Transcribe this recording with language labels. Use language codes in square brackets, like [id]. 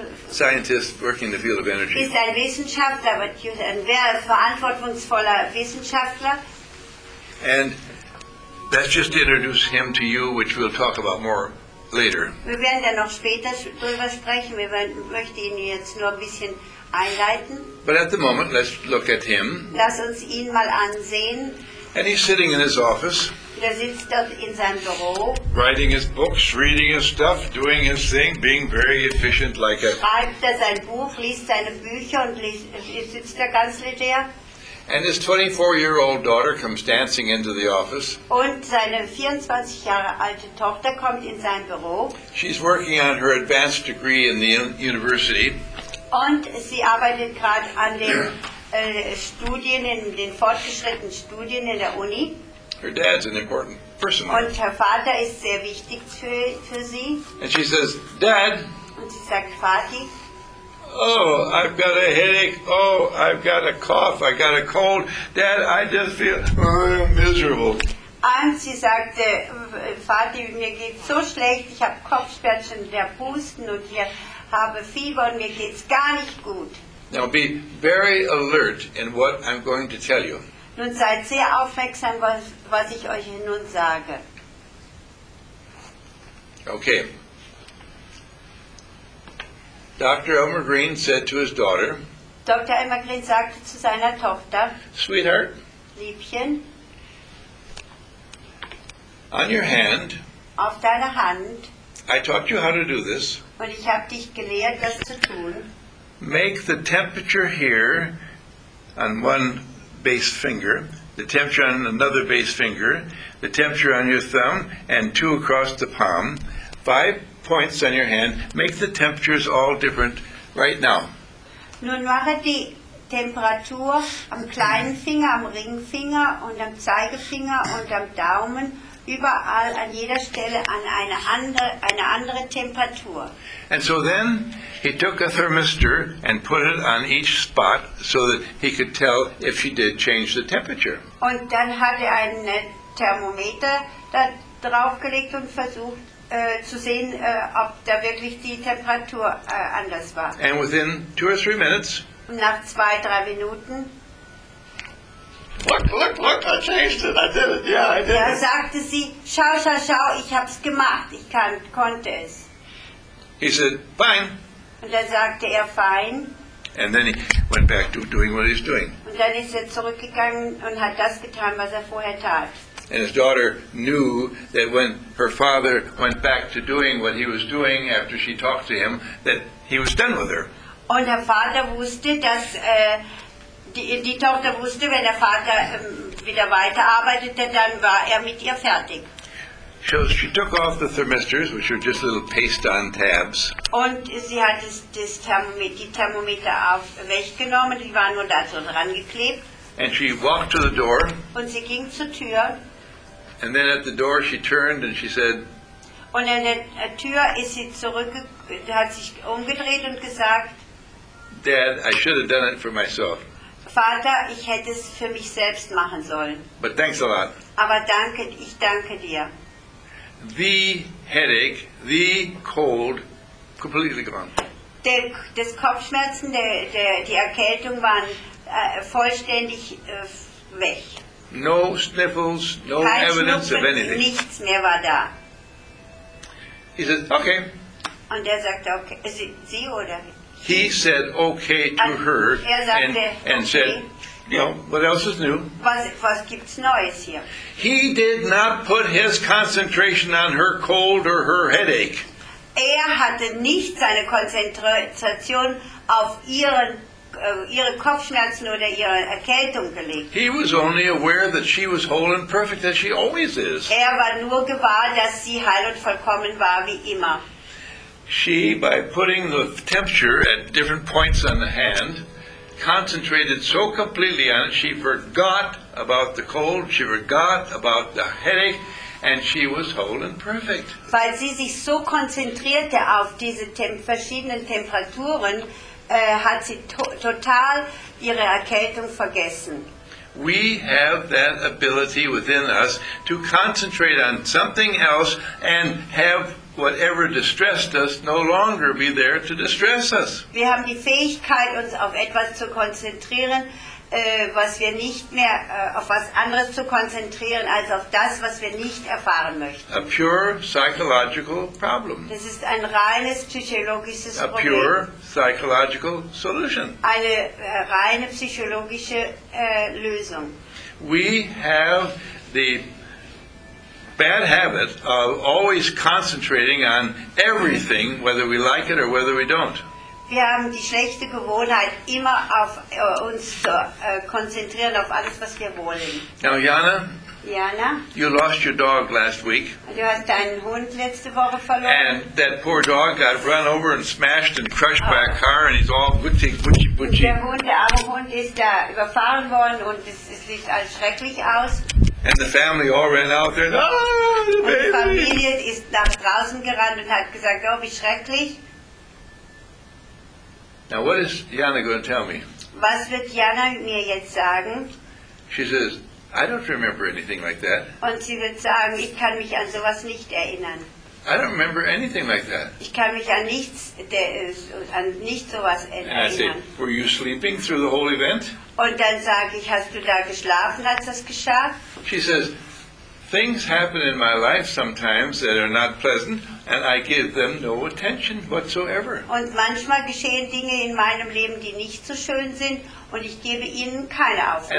[en] scientist working in the field of energy. [de] Ist ein Wissenschaftler, verantwortungsvoller Wissenschaftler. [en] And that's just to introduce him to you, which we'll talk about more later. [de] Wir werden dann noch später drüber sprechen. Wir möchten ihn jetzt nur ein bisschen einleiten. [en] But at the moment, let's look at him. [de] Lass uns ihn mal ansehen. [en] And he's sitting in his office. [de] Er sitzt dort in seinem Büro. [en] Writing his books, reading his stuff, doing his thing, being very efficient like a. [de] Schreibt er sein Buch, liest seine Bücher und sitzt da ganz leger. [en] And his 24-year-old daughter comes dancing into the office. [de] Und seine 24 Jahre alte Tochter kommt in sein Büro. [en] She's working on her advanced degree in the university. [de] Und sie arbeitet gerade an den Studien, in den fortgeschrittenen Studien in der Uni. [en] Her dad's an important person. [de] Und her Vater ist sehr wichtig für sie. [en] And she says, Dad. [de] Und sie sagt, Vati. [en] Oh, I've got a headache. Oh, I've got a cough. I got a cold. Dad, I just feel miserable. [de] Und sie sagte, Vati, mir geht so schlecht. Ich habe Kopfschmerzen, der Husten und hier. Habe Fieber und mir geht's gar nicht gut. [en] Now be very alert in what I'm going to tell you. [de] Nun seid sehr aufmerksam, was ich euch nun sage. [en] Okay. Dr. Elmer Green said to his daughter, [de] Dr. Elmer Green sagte zu seiner Tochter, [en] Sweetheart, [de] Liebchen, [en] on your hand, [de] auf deiner Hand, [en] I taught you how to do this, [de] und ich habe dich gelehrt, das zu tun. [en] Make the temperature here on one base finger, the temperature on another base finger, the temperature on your thumb, and two across the palm, 5 points on your hand, make the temperatures all different right now. [de] Nun mache die Temperatur am kleinen Finger, am Ringfinger und am Zeigefinger und am Daumen überall an jeder Stelle an eine andere Temperatur. [en] And so then he took a thermistor and put it on each spot so that he could tell if she did change the temperature. [de] Und dann hat er ein Thermometer da draufgelegt und versucht zu sehen, ob da wirklich die Temperatur anders war. [en] And within 2 or 3 minutes, [de] nach 2-3 Minuten, [en] look, I changed it, I did it, yeah, I did it. [de] Da sagte sie, schau, ich hab's gemacht, ich konnte es. [en] He said, fine. [de] Und dann sagte er, fine. [en] And then he went back to doing what he's doing. [de] Und dann ist er zurückgegangen und hat das getan, was er vorher tat. [en] And his daughter knew that when her father went back to doing what he was doing after she talked to him, that he was done with her. [de] Und her Vater wusste, dass die Tochter wusste, wenn der Vater wieder weiterarbeitete, dann war mit ihr fertig. [en] So she took off the thermistors, which were just little paste-on tabs. [de] Und sie hat die Thermometer weggenommen, die waren nur da so dran geklebt. [en] And she walked to the door. [de] Und sie ging zur Tür. [en] And then at the door she turned and she said, [de] und an der Tür ist sie hat sich umgedreht und gesagt, [en] Dad, I should have done it for myself. [de] Vater, ich hätte es für mich selbst machen sollen. [en] But thanks a lot. [de] Aber danke, ich danke dir. [en] The headache, the cold, completely gone. [de] Das Kopfschmerzen, die Erkältung waren vollständig weg. [en] No sniffles, no evidence of anything. [de] Nichts mehr war da. [en] He said, okay. [de] Und sagte, okay. Sie oder? [en] He said, okay to her and okay. Said, well, what else is new? [de] Was gibt's Neues hier? [en] He did not put his concentration on her cold or her headache. [de] Hatte nicht seine Konzentration auf ihre Kopfschmerzen oder ihre Erkältung gelegt. [en] He was only aware that she was whole and perfect as she always is. [de] War nur gewahr, dass sie heil und vollkommen war wie immer. [en] She, by putting the temperature at different points on the hand, concentrated so completely on it, she forgot about the cold, she forgot about the headache, and she was whole and perfect. [de] Weil sie sich so konzentrierte auf diese verschiedenen Temperaturen, hat sie total ihre Erkältung vergessen. [en] We have that ability within us to concentrate on something else and have whatever distressed us no longer be there to distress us. [de] Wir haben die Fähigkeit, uns auf etwas zu konzentrieren, was wir nicht mehr auf was anderes zu konzentrieren als auf das, was wir nicht erfahren möchten. [en] A pure psychological problem. [de] Das ist ein reines psychologisches Problem. [en] A pure psychological solution. [de] Eine reine psychologische Lösung. [en] We have the bad habit of always concentrating on everything, whether we like it or whether we don't. [de] Wir haben die schlechte Gewohnheit, immer auf uns zu konzentrieren, auf alles, was wir wollen. [en] Now, Jana, [de] Jana, [en] you lost your dog last week. [de] Du hast deinen Hund letzte Woche verloren. [en] And that poor dog got run over and smashed and crushed by a car, and he's all butchy, butchy, butchy. [de] Der Hund, der arme Hund, ist da überfahren worden, und es sieht alles schrecklich aus. [en] And the family all ran out there, and, oh, the baby! [de] Die Familie ist nach draußen gerannt und hat gesagt, oh, wie schrecklich. [en] Now what is Jana going to tell me? [de] Was wird Jana mir jetzt sagen? [en] She says, I don't remember anything like that. [de] Und sie wird sagen, ich kann mich an sowas nicht erinnern. [en] I don't remember anything like that. [de] Ich kann mich an nichts, an nichts sowas erinnern. [en] And I say, were you sleeping through the whole event? [de] Und dann sage ich, hast du da geschlafen, als das geschah? [en] She says, things happen in my life sometimes that are not pleasant, and I give them no attention whatsoever. [de] Und manchmal geschehen Dinge in meinem Leben, die nicht so schön sind, und ich gebe ihnen keine Aufmerksamkeit.